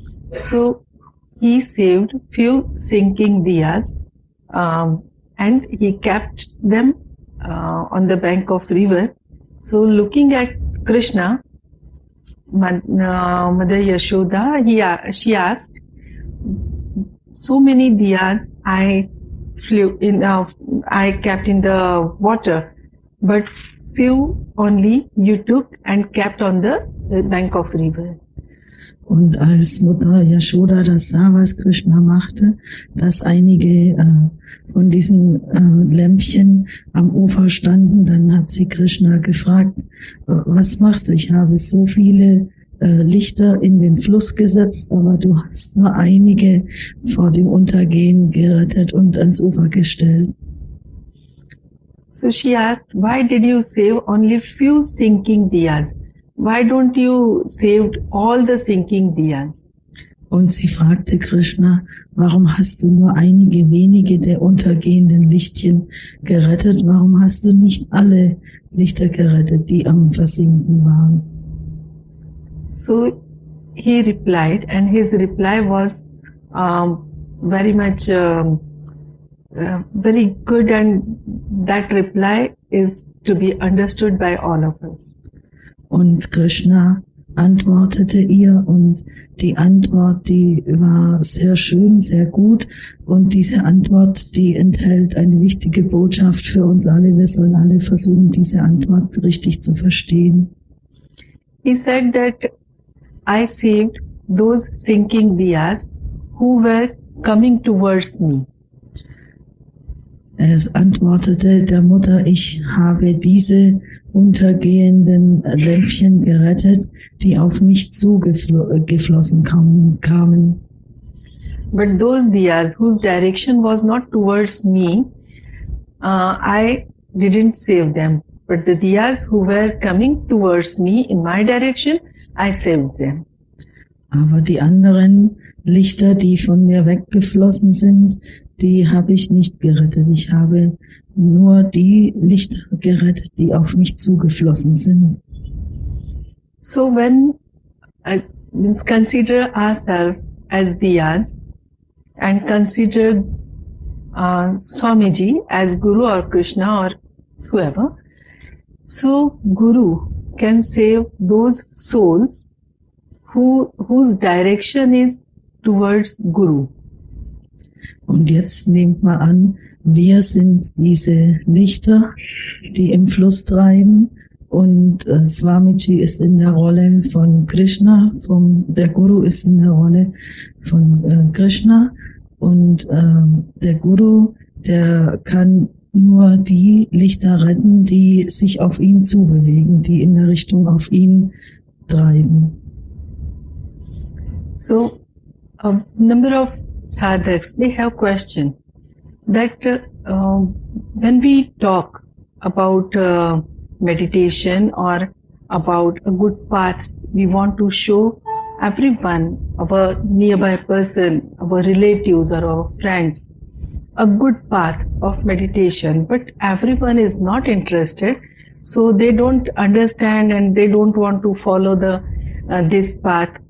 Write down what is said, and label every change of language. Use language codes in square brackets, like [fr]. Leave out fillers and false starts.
[en] So he saved few sinking diyas and he kept them on the bank of river. So looking at Krishna, Mother Yashoda, she asked, so many diyas I flew in, I kept in the water, but few only you took and kept on the bank of river. [de] Und als Mutter Yashoda das sah, was Krishna machte, dass einige von diesen Lämpchen am Ufer standen, dann hat sie Krishna gefragt, was machst du? Ich habe so viele Lichter in den Fluss gesetzt, aber du hast nur einige vor dem Untergehen gerettet und ans Ufer gestellt. [en] So she asked, why did you save only few sinking diyas? Why don't you save all the sinking diyas? [de] Und sie fragte Krishna, warum hast du nur einige wenige der untergehenden Lichtchen gerettet? Warum hast du nicht alle Lichter gerettet, die am Versinken waren? [en] So he replied, and his reply was very much very good, and that reply is to be understood by all of us. [de] Und Krishna antwortete ihr, und die Antwort, die war sehr schön, sehr gut, und diese Antwort, die enthält eine wichtige Botschaft für uns alle. Wir sollen alle versuchen, diese Antwort richtig zu verstehen. [en] He said that I saved those sinking diyas who were coming towards me. [de] Es antwortete der Mutter, ich habe diese untergehenden Lämpchen gerettet, die auf mich zugeflossen kamen. [en] But those diyas whose direction was not towards me, I didn't save them. But the diyas who were coming towards me in my direction, I saved them. [de] Aber die anderen Lichter, die von mir weggeflossen sind, die habe ich nicht gerettet. Ich habe nur die Lichter gerettet, die auf mich zugeflossen sind. [en] So when we consider ourselves as Diyas and consider Swamiji as Guru or Krishna or whoever, so Guru can save those souls whose direction is towards Guru. [de] Und jetzt nehmt mal an, wir sind diese Lichter, die im Fluss treiben, und Swamiji ist in der Rolle von Krishna, der Guru ist in der Rolle von Krishna, und der Guru, der kann nur die Lichter retten, die sich auf ihn zubewegen, die in der Richtung auf ihn treiben. [en] So, a number of sadhaks, they have question that when we talk about meditation or about a good path, we want to show everyone, our nearby person, our relatives or our friends, a good path of meditation, but everyone is not interested, so they don't understand and they don't want to follow this path.